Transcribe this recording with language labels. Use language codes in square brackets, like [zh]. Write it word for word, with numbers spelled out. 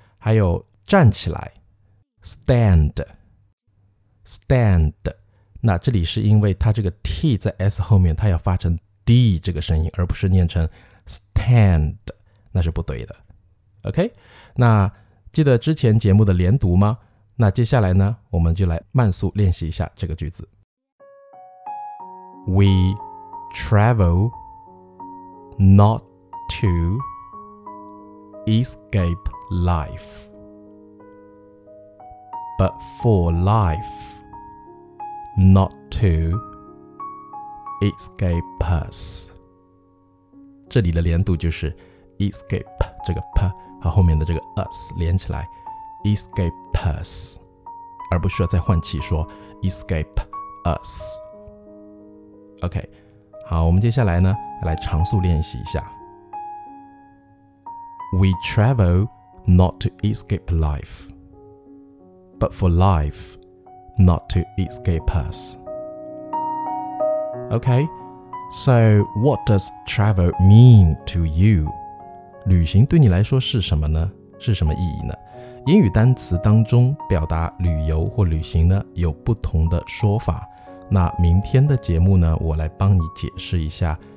[zh] 还有站起来 stand stand， 那这里是因为它这个 t 在 s 后面，它要发成 d 这个声音，而不是念成 stand， 那是不对的。 OK， 那记得之前节目的连读吗？那接下来呢，我们就来慢速练习一下这个句子。 [en] We travel not to escape life, but for life not to escape us. [zh] 这里的连读就是 escape 这个 p 和后面的这个 us 连起来 escape us， 而不需要再换气说 escape us。 OK， 好，我们接下来呢，来常速练习一下。 [en] We travel not to escape life, but for life not to escape us. Okay, so what does travel mean to you? [zh] 旅行对你来说是什么呢？是什么意义呢？英语单词当中表达旅游或旅行呢，有不同的说法。那明天的节目呢，我来帮你解释一下